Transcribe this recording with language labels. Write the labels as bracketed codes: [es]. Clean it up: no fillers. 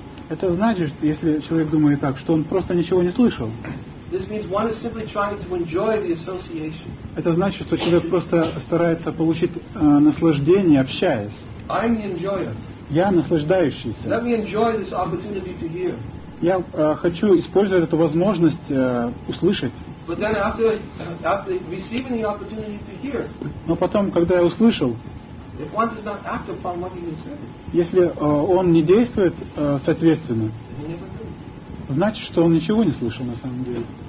[ru] Это значит, если человек думает так, что он просто ничего не слышал. [en] This means one is simply trying to enjoy the association. [ru] Это значит, что человек просто старается получить наслаждение, общаясь. [en] I'm the enjoyer. [ru] Я наслаждающийся. [en] Let me enjoy this opportunity to hear. [ru] Я хочу использовать эту возможность услышать. [en] But then after receiving the opportunity to hear. [ru] Но потом, когда я услышал, [en] if one does not act upon what he has heard, [ru] если он не действует соответственно, значит, что он ничего не слышал на самом деле.